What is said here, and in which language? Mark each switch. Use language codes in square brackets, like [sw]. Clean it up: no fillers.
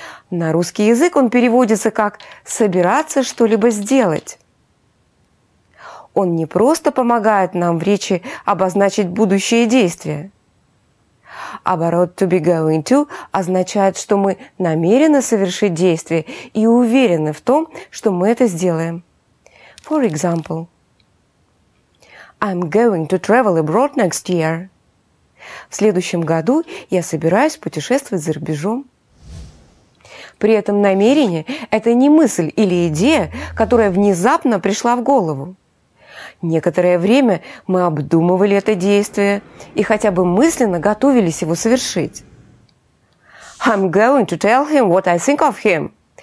[ru] На русский язык он переводится как «собираться что-либо сделать». Он не просто помогает нам в речи обозначить будущее действие. Оборот [en] «to be going to» [ru] означает, что мы намерены совершить действие и уверены в том, что мы это сделаем. [en] For example, I'm going to travel abroad next year. [ru] В следующем году я собираюсь путешествовать за рубежом. При этом намерение – это не мысль или идея, которая внезапно пришла в голову. Некоторое время мы обдумывали это действие и хотя бы мысленно готовились его совершить. [en] I'm going to tell him what I think of him.